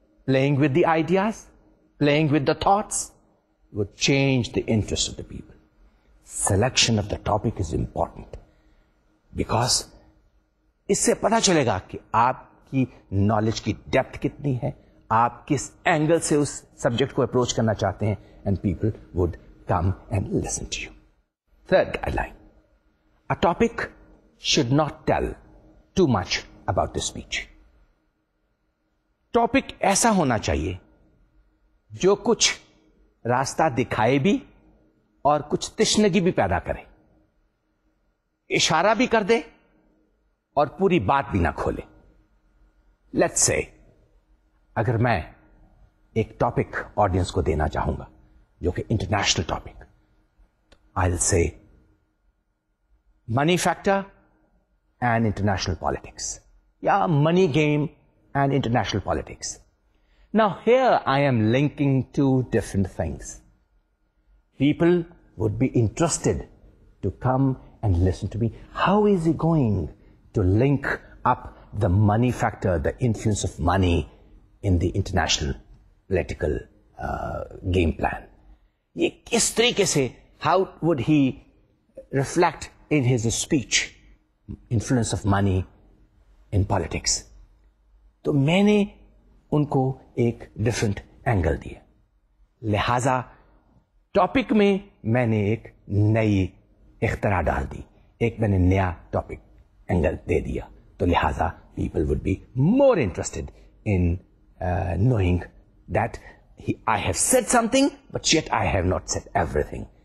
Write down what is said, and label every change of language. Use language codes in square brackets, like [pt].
[en] playing with the ideas, playing with the thoughts, would change the interest of the people. Selection of the topic is important. [ur] Because اس سے پتا چلے گا کہ آپ کی knowledge کی depth کتنی ہے, آپ کس اینگل سے اس سبجیکٹ کو اپروچ کرنا چاہتے ہیں, [en] And people would come and listen to you. Third guideline, a topic should not tell too much about the speech. [ur] Topic ایسا ہونا چاہیے جو کچھ راستہ دکھائے بھی اور کچھ تشنگی بھی پیدا کرے, اشارہ بھی کر دے اور پوری بات بھی نہ کھولے. [en] let's say [ur] اگر میں ایک ٹاپک آڈینس کو دینا چاہوں گا جو کہ انٹرنیشنل ٹاپک, [en] I will say money factor and international politics, یا money game and international politics. Now here I am linking two different things. People would be interested to come and listen to me. How is he going to link up the money factor, the influence of money in the international political game plan? [ur] Ye kis tarike se, [en] how would he reflect in his speech influence of money in politics? [ur] To maine unko ایک different angle دیا, لہذا topic میں میں نے ایک نئی اختراع ڈال دی, ایک میں نے نیا ٹاپک اینگل دے دیا, تو لہذا [en] People would be more interested in knowing that I have said something but that I have not said everything.